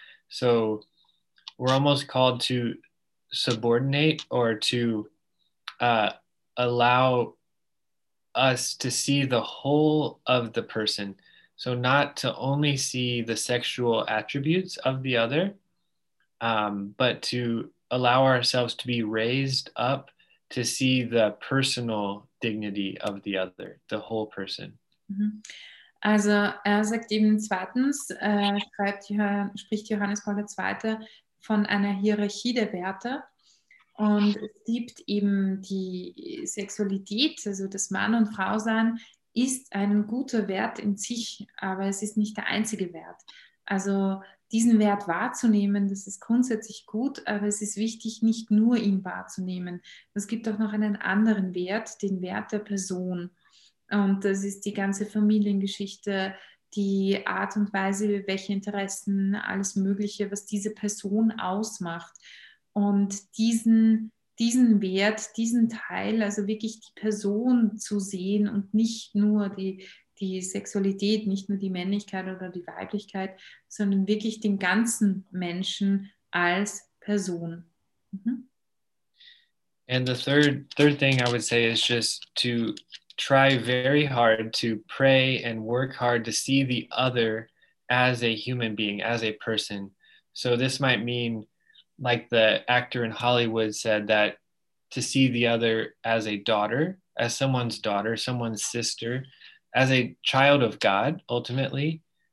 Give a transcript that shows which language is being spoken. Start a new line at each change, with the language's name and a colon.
English: So we're almost called to subordinate or to allow us to see the whole of the person. So not to only see the sexual attributes of the other, but to allow ourselves to be raised up to see the personal dignity of the other, the whole person.
German: Also er sagt eben zweitens, spricht Johannes Paul II. Von einer Hierarchie der Werte, und es gibt eben die Sexualität, also das Mann und Frau sein, ist ein guter Wert in sich, aber es ist nicht der einzige Wert. Also diesen Wert wahrzunehmen, das ist grundsätzlich gut, aber es ist wichtig, nicht nur ihn wahrzunehmen. Es gibt auch noch einen anderen Wert, den Wert der Person. Und das ist die ganze Familiengeschichte, die Art und Weise, welche Interessen, alles Mögliche, was diese Person ausmacht. Und diesen Wert, diesen Teil, also wirklich die Person zu sehen und nicht nur die Sexualität, nicht nur die Männlichkeit oder die Weiblichkeit, sondern wirklich den ganzen Menschen als Person. Mhm.
English: And the third thing I would say is just to try very hard to pray and work hard to see the other as a human being, as a person. So this might mean, like the actor in Hollywood said, that to see the other as a daughter, as someone's daughter, someone's sister, as a child of God, ultimately.